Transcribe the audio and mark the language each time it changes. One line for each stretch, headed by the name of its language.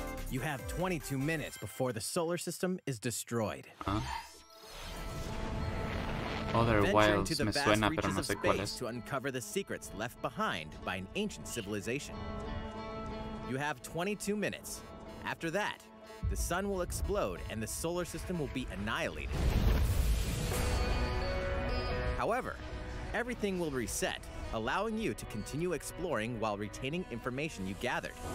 English: You have 22 minutes before the solar system is destroyed.
Spanish: Other Wilds me suena, pero no sé cuál es.
English: To uncover the secrets left behind by an ancient civilization. You have 22 minutes. After that, the sun will explode and the solar system will be annihilated. However, everything will reset, allowing you to continue exploring while retaining information you gathered.